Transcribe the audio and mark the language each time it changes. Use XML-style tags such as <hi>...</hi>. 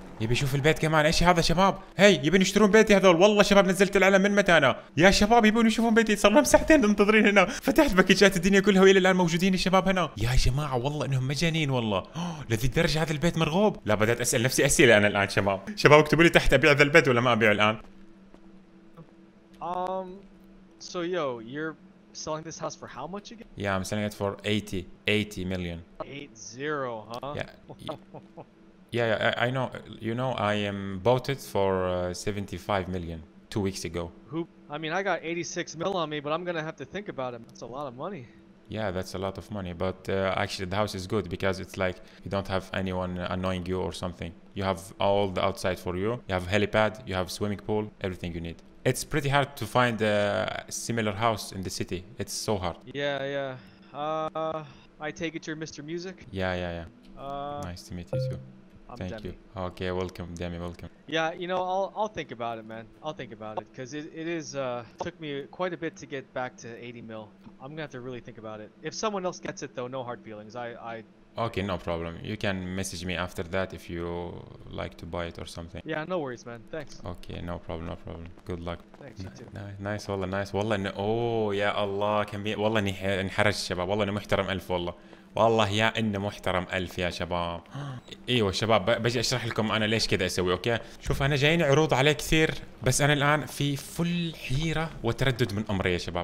<ar>يبي يشوف البيت كمان، ايش هذا شباب؟ هي يبون يشترون بيتي هذول، والله شباب نزلت العلم من متى انا؟ يا شباب يبون يشوفون بيتي، صار لهم ساعتين منتظرين هنا، فتحت باكجات الدنيا كلها والى الان موجودين الشباب هنا. يا جماعه والله انهم مجانين والله، لذي الدرجه هذا البيت مرغوب؟ لا بدأت اسال نفسي اسئله انا الان شباب، شباب اكتبوا لي تحت ابيع ذا البيت ولا ما ابيع الان؟</ar> <en>So yo, you're selling this house for how much again? Yeah, I'm selling it for 80 million. 80, huh? Yeah. Yeah, I know. You know, I bought it for 75 million 2 weeks ago. Who? I mean, I got 86 mil on me, but I'm gonna have to think about it. That's a lot of money. Yeah, that's a lot of money. But actually, the house is good because it's like you don't have anyone annoying you or something. You have all the outside for you. You have a helipad. You have a swimming pool. Everything you need. It's pretty hard to find a similar house in the city. It's so hard. Yeah, yeah. I take it you're Mr. Music. Yeah, yeah, yeah. Nice to meet you too. Thank Demi. You. Okay, welcome, Demi. Welcome. Yeah, you know, I'll think about it, man. I'll think about it because it is took me quite a bit to get back to 80 mil. I'm gonna have to really think about it. If someone else gets it, though, no hard feelings. I. Okay, no problem. You can message me after that if you like to buy it or something. Yeah, no worries, man. Thanks. Okay, no problem, no problem. Good luck. Thanks, you too.</en> <ar>Nice, والله نايس. والله اوه يا الله كميه. والله اني انحرج الشباب. والله اني محترم ألف والله. والله يا إنه محترم ألف يا شباب. إيوة شباب بجي أشرح لكم أنا ليش كذا أسوي. أوكي شوف أنا جايني عروض عليه كثير بس أنا الآن في فل حيرة وتردد من أمري يا شباب.</ar>